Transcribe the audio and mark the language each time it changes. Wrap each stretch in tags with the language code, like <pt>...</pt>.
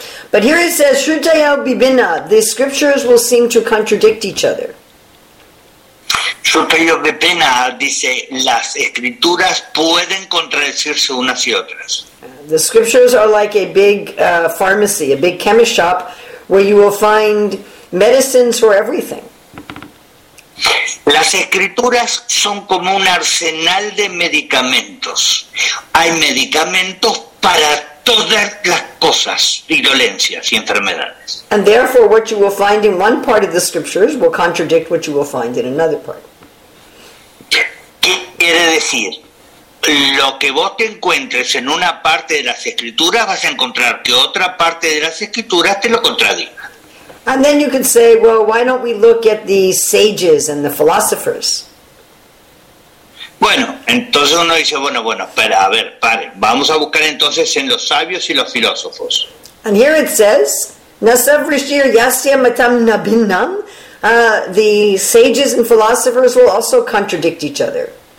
<en>But here it says, Shrutayau Bibina, the scriptures will seem to contradict each other.</en> <es>Shrutayau Bibina dice, las escrituras pueden contradecirse unas y otras.</es> <en>The scriptures are like a big pharmacy, a big chemist shop, where you will find medicines for everything.</en> <es>Las escrituras son como un arsenal de medicamentos. Hay medicamentos para todas las cosas, y dolencias y enfermedades.</es> <en>And therefore what you will find in one part of the scriptures will contradict what you will find in another part.</en> <es>¿Qué quiere decir? Lo que vos te encuentres en una parte de las escrituras, vas a encontrar que otra parte de las escrituras te lo contradiga.</es> <en>And then you can say, well, why don't we look at the sages and the philosophers?</en> <es>Bueno, entonces uno dice, bueno, espera, a ver, pare. Vamos a buscar entonces en los sabios y los filósofos.</es> <en>And here it says,</en> <sa>Nasav Rishir Yasya Matam Nabinam,</sa> <en>the sages and philosophers will also contradict each other.</en>